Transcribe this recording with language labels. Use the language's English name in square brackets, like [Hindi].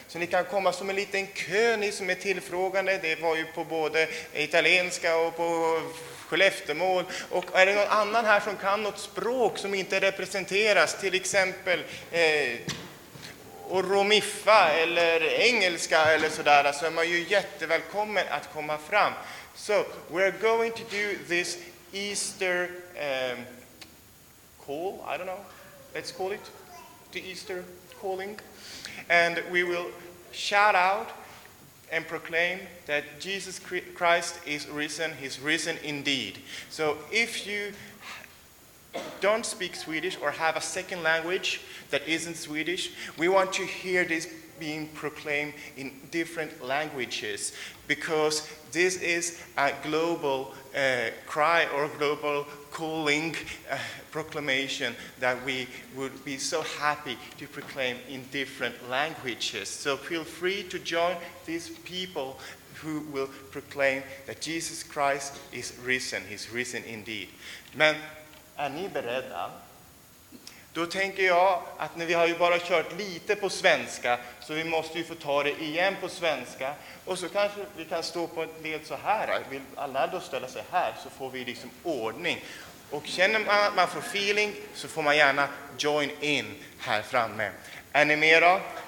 [Swedish] Så ni kan komma som en liten kö, ni som är tillfrågande. Det var ju på både italienska och på Skelleftemål. Och är det någon annan här som kan något språk som inte representeras? Till exempel romiffa eller engelska eller sådär. Så är man ju jättevälkommen att komma fram. [English] So, we're going to do this Easter call, I don't know, let's call it the Easter calling, and we will shout out and proclaim that Jesus Christ is risen, he's risen indeed. So if you don't speak Swedish or have a second language that isn't Swedish, we want to hear this being proclaimed in different languages, because this is a global cry or global calling proclamation that we would be so happy to proclaim in different languages. So feel free to join these people who will proclaim that Jesus Christ is risen. He's risen indeed. [Swedish] Men är ni beredda? Då tänker jag att när vi har ju bara kört lite på svenska, så vi måste ju få ta det igen på svenska. Och så kanske vi kan stå på ett led så här. Vill alla då ställa sig här, så får vi liksom ordning. Och känner man att man får feeling, så får man gärna [English] join in [Swedish] här framme. Är ni med då?